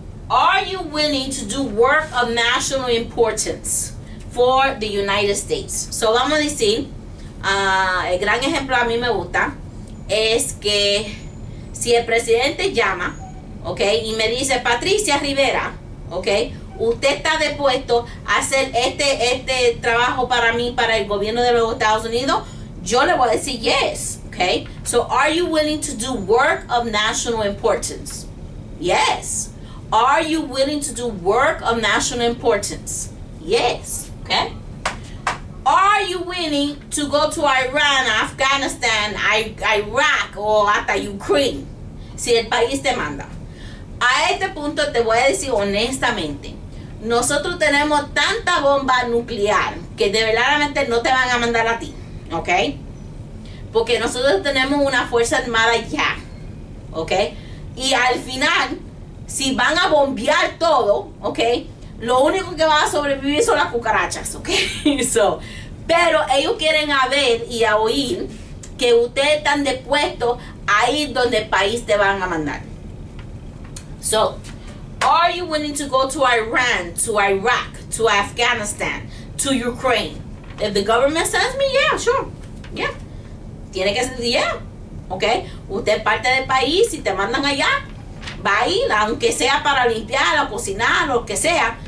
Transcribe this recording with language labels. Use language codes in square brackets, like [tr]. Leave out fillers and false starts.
[en] Are you willing to do work of national importance for the United States? [es] So, vamos a decir, el gran ejemplo a mí me gusta es que si el presidente llama, okay, y me dice, Patricia Rivera, okay, usted está dispuesto a hacer este trabajo para mí, para el gobierno de los Estados Unidos, yo le voy a decir yes, okay. [en] So, are you willing to do work of national importance? Yes. Are you willing to do work of national importance? Yes. Okay. Are you willing to go to Iran, Afghanistan, Iraq, or hasta Ukraine? [es] Si el país te manda. A este punto te voy a decir honestamente. Nosotros tenemos tanta bomba nuclear que de verdad no te van a mandar a ti. Okay. Porque nosotros tenemos una fuerza armada ya. Okay. Y al final, si van a bombear todo, ¿ok? Lo único que va a sobrevivir son las cucarachas, ¿ok? So, pero ellos quieren a ver y a oír que ustedes están dispuestos a ir donde el país te van a mandar. [en] So, are you willing to go to Iran, to Iraq, to Afghanistan, to Ukraine? If the government sends me, yeah, sure, yeah. [es] Tiene que ser, yeah. Ok, usted parte del país y te mandan allá, va a ir, aunque sea para limpiar o cocinar o lo que sea.